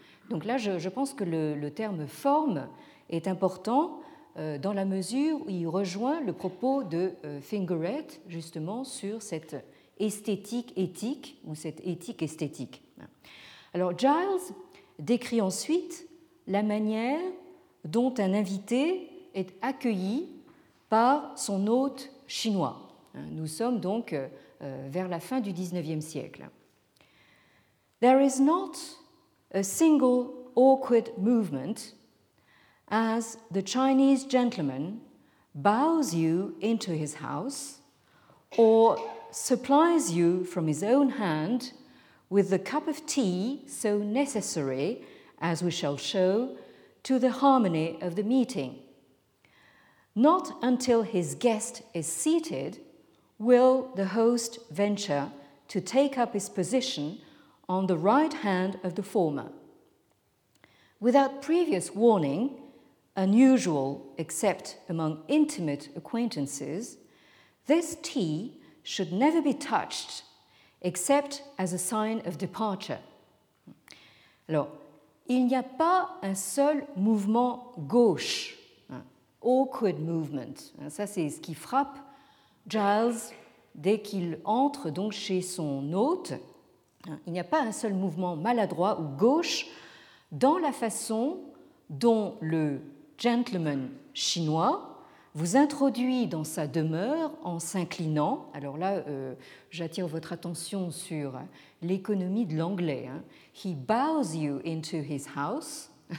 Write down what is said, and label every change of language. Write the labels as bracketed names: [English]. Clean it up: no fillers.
[French] Donc là, je pense que le terme forme est important dans la mesure où il rejoint le propos de Fingeret, justement, sur cette esthétique éthique ou cette éthique esthétique. Alors Giles décrit ensuite la manière dont un invité est accueilli par son hôte chinois. Nous sommes donc vers la fin du 19e siècle. [English] There is not a single awkward movement as the Chinese gentleman bows you into his house or supplies you from his own hand with the cup of tea so necessary, as we shall show, to the harmony of the meeting. Not until his guest is seated will the host venture to take up his position on the right hand of the former. Without previous warning, unusual except among intimate acquaintances, this tea should never be touched except as a sign of departure. [French] Alors, il n'y a pas un seul mouvement gauche, [English] awkward movement. [French] Ça, c'est ce qui frappe Giles dès qu'il entre donc chez son hôte. Il n'y a pas un seul mouvement maladroit ou gauche dans la façon dont le gentleman chinois vous introduit dans sa demeure en s'inclinant. Alors là, j'attire votre attention sur l'économie de l'anglais. Hein. [English] He bows you into his house.